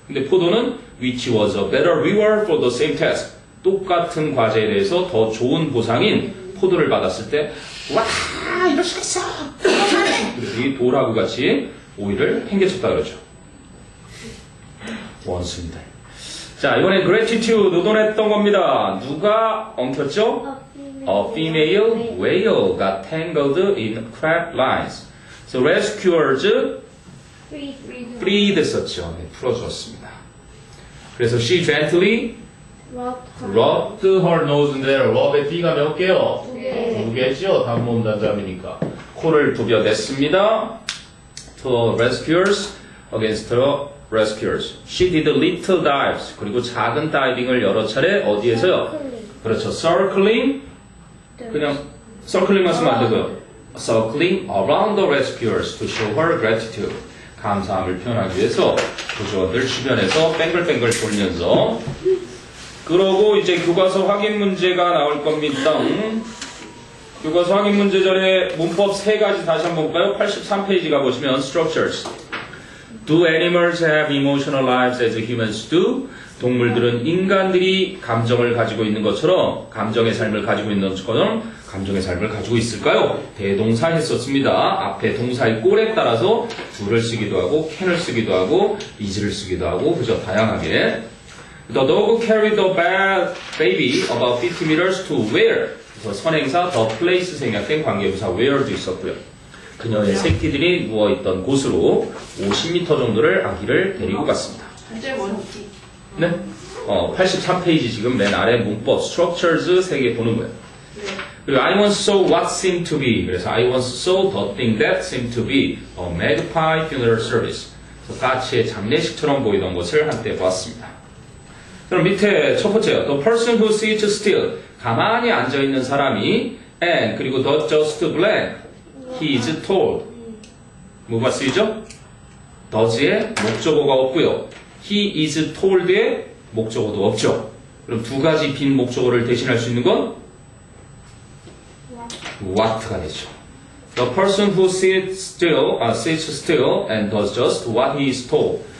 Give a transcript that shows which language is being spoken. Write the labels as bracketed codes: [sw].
[ko] 근데 포도는 [en] which was a better reward for the same task. [ko] 똑같은 과제에 대해서 더 좋은 보상인 포도를 받았을 때, 와, 이럴 수가 있어! 그래서 이 도라구 같이 오이를 팽개쳤다 그러죠. 원숭이들. 자, 이번엔 gratitude, 노동했던 겁니다. 누가 엉켰죠? [en] A female whale got tangled in crab lines. So rescuers freed [ko] 했었죠. 네, 풀어주었습니다. 그래서 [en] she gently rubbed her nose [ko] 인데 rub의 B가 몇 개요? 두 개. 두 개죠. 단모음 단자음이니까. 코를 부벼냈습니다. [en] To rescuers against the rescuers. She did little dives. [ko] 그리고 작은 다이빙을 여러 차례 어디에서요? [en] Circling. 그렇죠. Circling. [ko] 그냥 서클링만 쓰면 안 되고요. [en] Circling around the rescuers to show her gratitude. [ko] 감사함을 표현하기 위해서 구조원들 주변에서 뱅글뱅글 돌면서 그러고 이제 교과서 확인 문제가 나올 겁니다. 교과서 확인 문제 전에 문법 세 가지 다시 한번 볼까요? 83페이지 가보시면 [en] structures. Do animals have emotional lives as humans do? [ko] 동물들은 인간들이 감정을 가지고 있는 것처럼 감정의 삶을 가지고 있는 것처럼 감정의 삶을 가지고 있을까요? 대동사 했었습니다. 앞에 동사의 꼴에 따라서 do를 쓰기도 하고 can을 쓰기도 하고 is를 쓰기도 하고 그죠? 다양하게. [en] The dog carried the bad baby about 50 meters to where? [ko] 그래서 선행사 the place 생략된 관계부사 where도 있었고요. 그녀의 새끼들이 누워있던 곳으로 50m 정도를 아기를 데리고 갔습니다. 네? 83페이지 지금 맨 아래 문법 structures 세 개 보는 거예요. [en] 그리고 I once saw what seemed to be. 그래서 I once saw the thing that seemed to be a magpie funeral service. [ko] 그래서 까치의 장례식처럼 보이던 것을 한때 봤습니다. 그럼 밑에 첫 번째요. [en] The person who sits still. [ko] 가만히 앉아있는 사람이 [en] and 그리고 the just blank. He is told. [ko] 뭐가 쓰이죠? Does에 목적어가 없고요. He is told에 목적어도 없죠. 그럼 두 가지 빈 목적어를 대신할 수 있는 건 what가 되죠. [en] The person who sits still and does just what he is told.